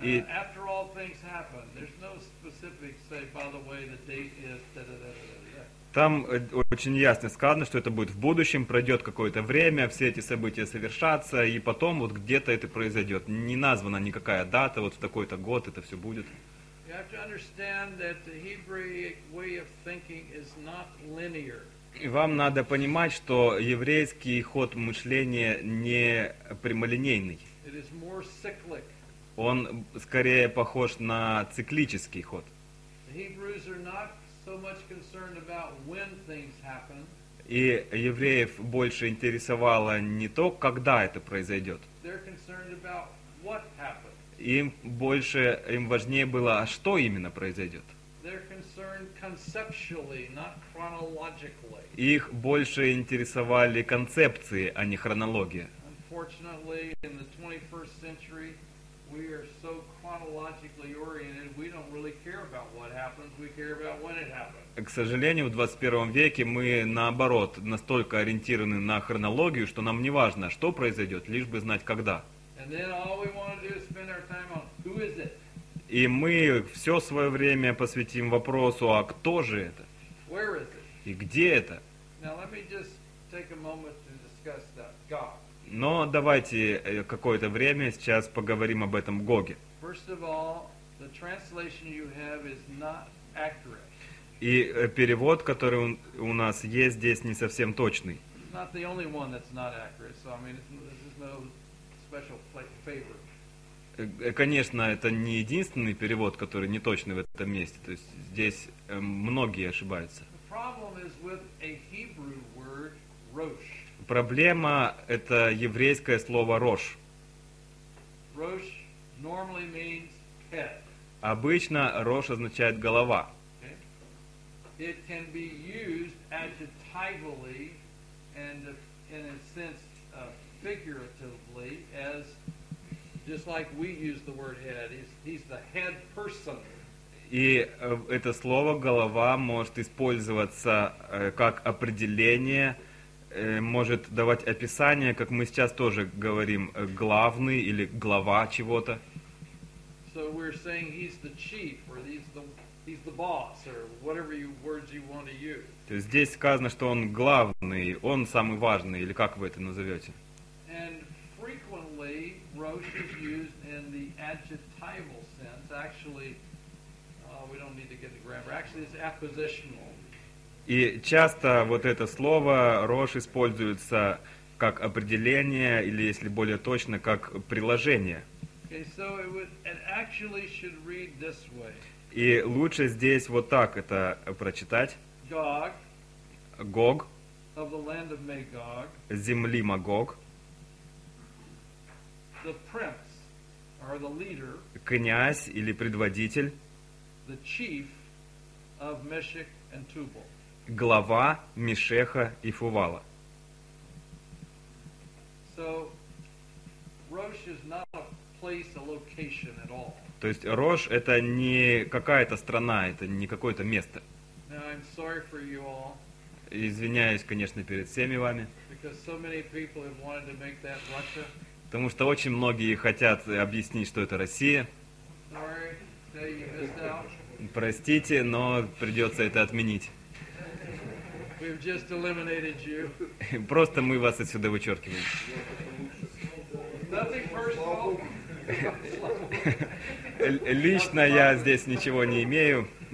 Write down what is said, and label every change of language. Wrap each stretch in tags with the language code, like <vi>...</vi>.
<en>After all things happen, there's no specific say, by the way, the date is da-da-da-da-da.</en> <ru>Там очень ясно сказано, что это будет в будущем, пройдет какое-то время, все эти события совершатся, и потом вот где-то это произойдет. Не названа никакая дата, вот в такой-то год это все будет.</ru> <en>You have to understand that the Hebrew way of thinking is not linear.</en> <ru>И вам надо понимать, что еврейский ход мышления не прямолинейный.</ru> <en>It is more cyclic.</en> <ru>Он скорее похож на циклический ход.</ru> <en>The Hebrews are not so much concerned about when things happen.</en> <ru>И евреев больше интересовало не то, когда это произойдет.</ru> <en>They're concerned about what happens.</en> <ru>Им важнее было, а что именно произойдет.</ru> <en>They're concerned conceptually, not chronologically.</en> <ru>Их больше интересовали концепции, а не хронология.</ru> <en>Unfortunately, in the 21st century, we are so chronologically oriented, we don't really care about what happens, we care about when it happens.</en> <ru>К сожалению, в 21 веке мы, наоборот, настолько ориентированы на хронологию, что нам не важно, что произойдет, лишь бы знать когда.</ru> <en>And then all we want to do is spend our time on who is it?</en> <ru>И мы все свое время посвятим вопросу, а кто же это?</ru> <en>Where is it?</en> <ru>И где это?</ru> <en>Now let me just take a moment to discuss that God.</en> <ru>Но давайте какое-то время сейчас поговорим об этом Гоге.</ru> <en>First of all, the translation you have is not accurate.</en> <ru>И перевод, который у нас есть здесь, не совсем точный.</ru> <en>Not the only one that's not accurate, so I mean, this is no special favor.</en> <ru>Конечно, это не единственный перевод, который не точный в этом месте. То есть здесь многие ошибаются.</ru> <en>The problem is with a Hebrew word, rosh.</en> <ru>Проблема – это еврейское слово «рош».</ru> <en>Rosh normally means head.</en> <ru>Обычно «рош» означает «голова».</ru> <en>Okay. It can be used adjectively and in a sense figuratively as just like we use the word head. He's the head person.</en> <ru>И это слово «голова» может использоваться как определение, может давать описание, как мы сейчас тоже говорим, главный или глава чего-то.</ru> <en>So we're saying he's the chief, or he's the boss, or whatever words you want to use.</en> <ru>То есть здесь сказано, что он главный, он самый важный, или как вы это назовете.</ru> <en>And frequently, rosh is used in the adjectival sense. Actually, we don't need to get the grammar. Actually, it's appositional.</en> <ru>И часто вот это слово «рош» используется как определение, или, если более точно, как приложение.</ru> <en>Okay, so it actually should read this way.</en> <ru>И лучше здесь вот так это прочитать.</ru> <en>Gog,</en> <ru>Гог,</ru> <en>of the land of Magog,</en> <ru>земли Магог,</ru> <en>the prince, or the leader,</en> <ru>князь или предводитель,</ru> <en>the chief of Meshech and Tubal.</en> <ru>Глава Мешеха и Фувала.</ru> <en>So, Rosh is not a place, a location at all.</en> <ru>То есть Рош – это не какая-то страна, это не какое-то место.</ru> <en>Now, I'm sorry for you all,</en> <ru>извиняюсь, конечно, перед всеми вами.</ru> <en>Because so many people have wanted to make that Russia.</en> <ru>Потому что очень многие хотят объяснить, что это Россия.</ru> <en>Sorry, that you missed out.</en> <ru>Простите, но придется это отменить.</ru> <en>We've just eliminated you.</en> <ru>Просто мы вас отсюда вычеркиваем.</ru> <en>Nothing personal.</en> <ru>Лично я здесь ничего не имею.</ru>